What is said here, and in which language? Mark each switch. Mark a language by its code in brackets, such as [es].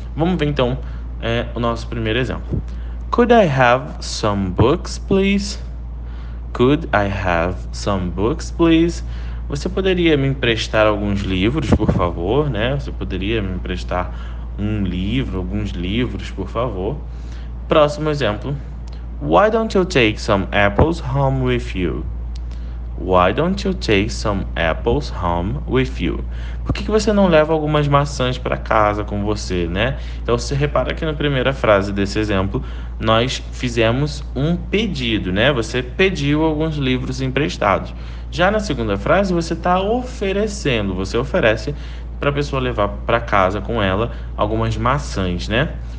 [pt] Vamos ver então, o nosso primeiro exemplo. [en] Could I have some books, please? Could I have some books, please? [pt] Você poderia me emprestar alguns livros, por favor, né? Você poderia me emprestar um livro, alguns livros, por favor. Próximo exemplo. [en] Why don't you take some apples home with you? Why don't you take some apples home with you? [pt] Por que que você não leva algumas maçãs para casa com você, né? Então você repara que na primeira frase desse exemplo, nós fizemos um pedido, né? Você pediu alguns livros emprestados. Já na segunda frase, você está oferecendo, você oferece para a pessoa levar para casa com ela algumas maçãs, né?